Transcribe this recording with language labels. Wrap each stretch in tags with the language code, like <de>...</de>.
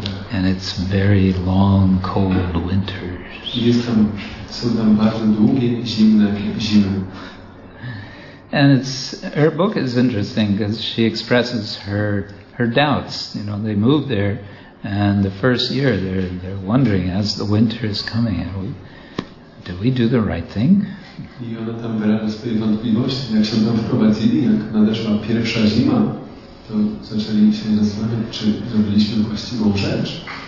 <en>And it's very long, cold winters.</en> <pl>Są tam bardzo długie, zimne zimy.</pl> <en>And her book is interesting because she expresses her doubts. You know, they moved there, and the first year they're wondering, as the winter is coming, do we do the right thing?</en> <pl>I ona tam wyraża swoje wątpliwości. Jak się tam wprowadzili, jak nadeszła pierwsza zima, to zaczęli się zastanawiać, czy zrobiliśmy właściwą rzecz.</pl>